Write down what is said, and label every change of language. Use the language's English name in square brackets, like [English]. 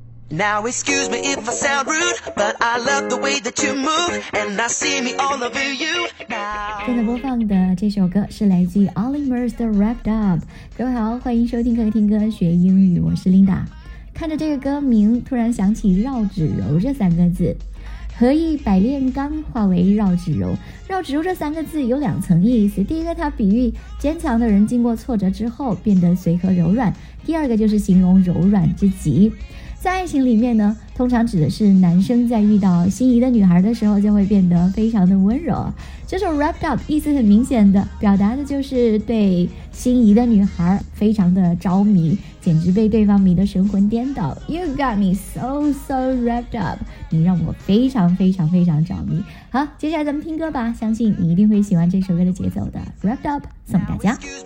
[English] Now excuse me if I sound rude, but I love the way that you move, and I see me all over you now. [Chinese] 现在播放的这首歌是来自 Oliver's The Wrapped Up。各位好，欢迎收听可以听歌学英语，我是 Linda。看着这个歌名，突然想起绕指柔这三个字，何以百炼钢化为绕指柔。绕指柔这三个字有两层意思，第一个它比喻坚强的人经过挫折之后变得随和柔软，第二个就是形容柔软之极。在爱情里面呢，通常指的是男生在遇到心仪的女孩的时候就会变得非常的温柔。这首 Wrapped Up 意思很明显的表达的就是对心仪的女孩非常的着迷，简直被对方迷得神魂颠倒。 [English] You got me so so wrapped up， [Chinese] 你让我非常非常非常着迷。好，接下来咱们听歌吧，相信你一定会喜欢这首歌的节奏的。 Wrapped Up 送给大家。